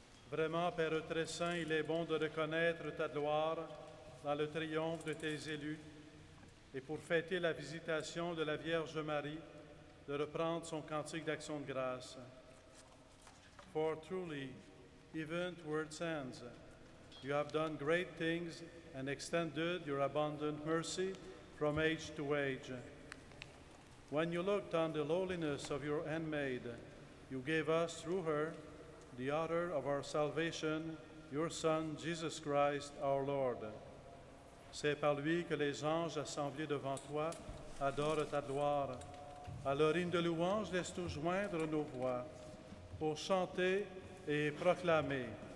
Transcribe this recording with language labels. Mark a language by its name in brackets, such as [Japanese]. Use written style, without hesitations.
[French] Vraiment, Père très saint, il est bon de reconnaître ta gloire dans le triomphe de tes élus et pour fêter la visitation de la Vierge Marie, de reprendre son cantique d'action de grâce. [English] For truly, even towards ends, you have done great things and extended your abundant mercy from age to age. When you looked on the lowliness of your handmaid, you gave us through her the author of our salvation, your Son, Jesus Christ, our Lord. [French] C'est par lui que les anges assemblés devant toi adorent ta gloire. À leur hymne de louange, laisse-nous joindre nos voix pour chanter et proclamer.